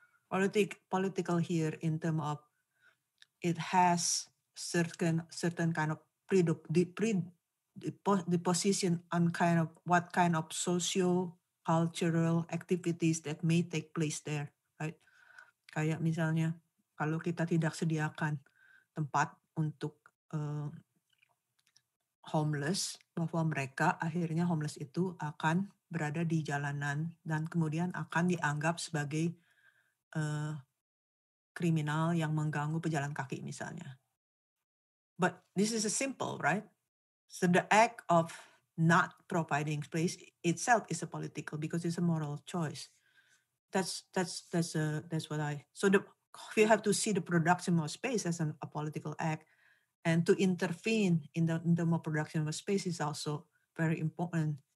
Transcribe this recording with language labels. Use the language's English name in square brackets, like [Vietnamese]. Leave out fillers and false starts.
[English] Political here in terms of it has certain kind of predisposition on kind of what kind of socio-cultural activities that may take place there, right? [Indonesian] Kayak misalnya, kalau kita tidak sediakan tempat untuk homeless, bahwa mereka akhirnya homeless itu akan berada di jalanan dan kemudian akan dianggap sebagai kriminal yang mengganggu pejalan kaki misalnya. [English] But this is a simple, right? So the act of not providing space itself is a political because it's a moral choice. That's what I. So you have to see the production of space as a political act, and to intervene in the more production of space is also very important